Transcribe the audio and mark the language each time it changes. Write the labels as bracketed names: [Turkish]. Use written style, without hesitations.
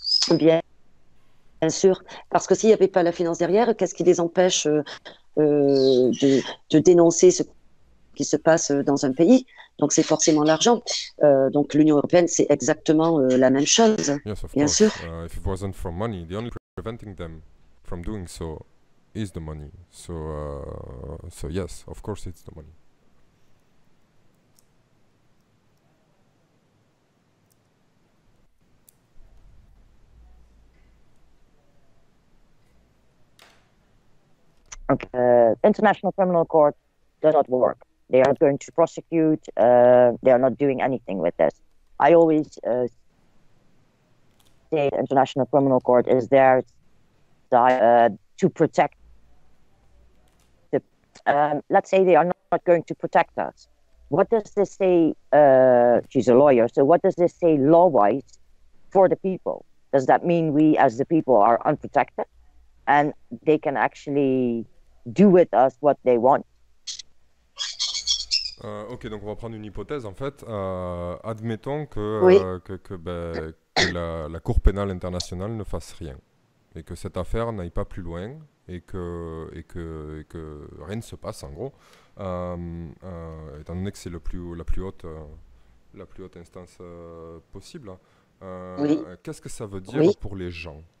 [French] Bien sûr, parce que s'il n'y avait pas la finance derrière, qu'est-ce qui les empêche de dénoncer ce qui se passe dans un pays? Donc c'est forcément l'argent. Donc l'Union européenne, c'est exactement la même chose. [English] Yes, of [French] bien [English] course. [French] Sûr. [English] If it wasn't for money, the only preventing them from doing so is the money. So so yes, of course it's the money. Okay. International Criminal Court does not work. They are going to prosecute. They are not doing anything with this. I always say the International Criminal Court is there to protect. Let's say they are not going to protect us. What does this say? She's a lawyer. So what does this say law-wise for the people? Does that mean we as the people are unprotected and they can actually do with us what they want? [French] Ok, donc on va prendre une hypothèse en fait. Admettons que, oui. que la Cour pénale internationale ne fasse rien et que cette affaire n'aille pas plus loin et que rien ne se passe en gros. Étant donné que c'est la plus haute instance possible, qu'est-ce que ça veut dire pour les gens?